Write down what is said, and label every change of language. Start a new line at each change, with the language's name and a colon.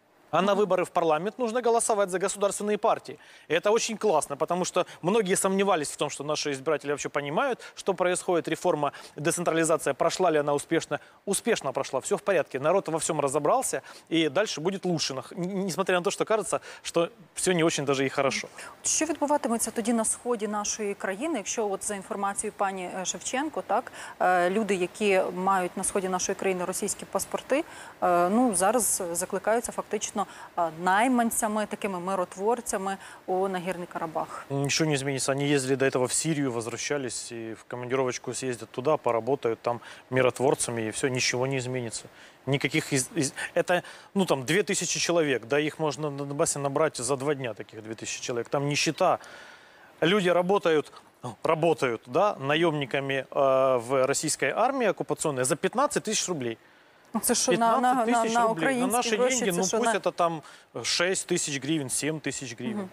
Russian: А на выборы в парламент нужно голосовать за государственные партии. И это очень классно, потому что многие сомневались в том, что наши избиратели вообще понимают, что происходит, реформа, децентрализация, прошла ли она успешно. Успешно прошла, все в порядке. Народ во всем разобрался, и дальше будет лучше. Несмотря на то, что кажется, что все не очень даже и хорошо.
Ukrainian: Что відбуватиметься тоді на сході нашої країни, якщо от за інформацією пані Шевченко, так, люди, які мають на сході нашої країни російські паспорти, ну, зараз закликаються фактично найманцями, такими миротворцями у Нагірний Карабах.
Russian: Ничего не изменится. Они ездили до этого в Сирию, возвращались и в командировочку съездят туда, поработают там миротворцами, и все, ничего не изменится. Никаких это, ну там, 2000 человек, да, их можно на Донбассе набрать за два дня, таких 2000 человек. Там нищета. Люди работают, да, наемниками в российской армии оккупационной за 15 тысяч рублей.
Ukrainian: Це що на українські гроші? На наші гроші, гроші, ну пусть це там 6 тисяч гривень, 7 тисяч гривень.